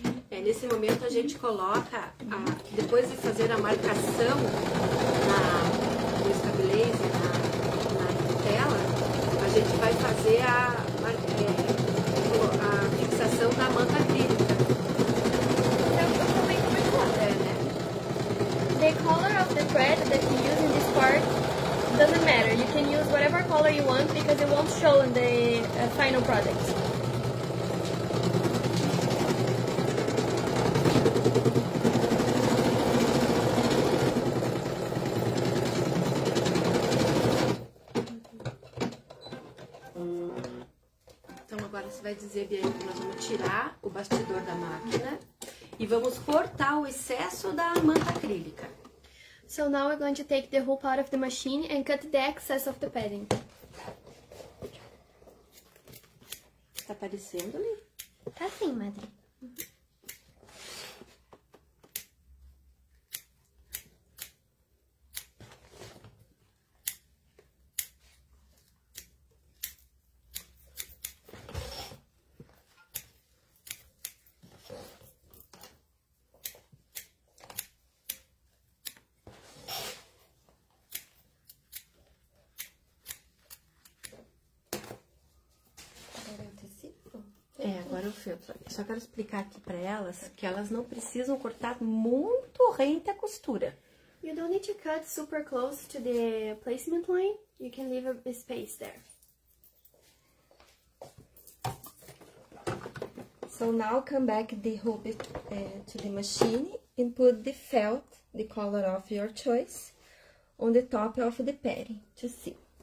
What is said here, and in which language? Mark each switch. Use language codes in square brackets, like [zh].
[pt] É nesse momento a gente coloca, depois de fazer a marcação no estabilizer, na tela, a gente vai fazer a fixação da manta acrílica. [en] The color of the thread that you use in this part doesn't matter. You can use whatever color you want because it won't show in the final product. [pt] Então agora você vai dizer, Bianca, que nós vamos tirar o bastidor da máquina e vamos cortar o excesso da manta acrílica. [en] So now we're going to take the hoop out of the machine and cut the excess of the padding. [pt] Tá aparecendo ali? Tá sim, madre. agora o feltro. Só quero explicar aqui pra elas que elas não precisam cortar muito rente a costura. [en] You don't need to cut super close to the placement line. You can leave a space there. So now come back the hoop to the machine and put the felt, the color of your choice, on the top of the padding to see.